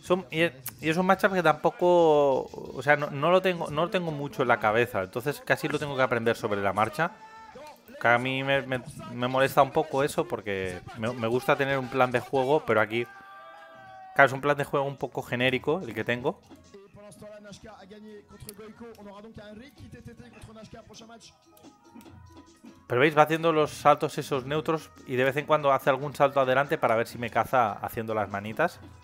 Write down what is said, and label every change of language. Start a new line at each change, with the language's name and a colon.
Spanish: Y es un matchup que tampoco, o sea, no lo tengo mucho en la cabeza. Entonces casi lo tengo que aprender sobre la marcha. Que a mí me molesta un poco eso, porque me gusta tener un plan de juego, pero aquí... claro, es un plan de juego un poco genérico el que tengo.
French: pendant ce temps-là, Nashka a gagné contre Goico. On aura donc un Ricky TTT contre Nashka, prochain match.
Spanish: Pero veis, va haciendo los saltos esos neutros y de vez en cuando hace algún salto adelante para ver si me caza haciendo las manitas.